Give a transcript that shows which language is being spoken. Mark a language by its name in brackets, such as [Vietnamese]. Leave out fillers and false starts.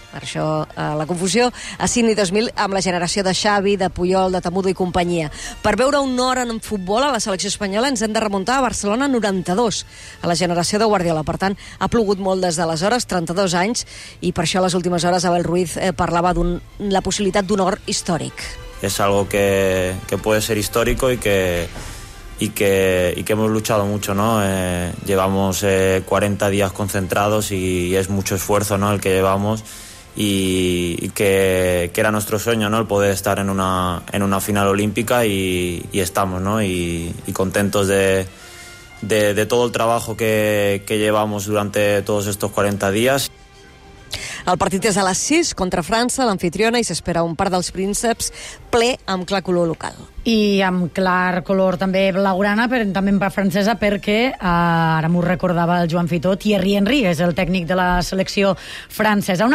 [Catalan] Per això la confusió, a Sydney 2000 amb la generació de Xavi, de Puyol, de Tamudo i companyia. Per veure un or en futbol a la selecció espanyola ens hem de remuntar a Barcelona 92, a la generació de Guardiola. Per tant, ha plogut molt des d'aleshores, 32 anys, i per això a les últimes hores Abel Ruiz parlava de la possibilitat d'un or històric. [Spanish] Es algo que puede ser histórico y que hemos luchado mucho, ¿no? Llevamos 40 días concentrados y es mucho esfuerzo, ¿no?, el que llevamos. Y que era nuestro sueño, ¿no?, el poder estar en una final olímpica, y estamos, ¿no?, y contentos de todo el trabajo que llevamos durante todos estos 40 días. [Catalan] El partit és a les 6 contra França, l'anfitriona, i s'espera un parc dels prínceps ple amb clar color local. I amb clar color també blaugrana, però també en part francesa, perquè ara m'ho recordava el Joan Fitó, Thierry Henry és el tècnic de la selecció francesa.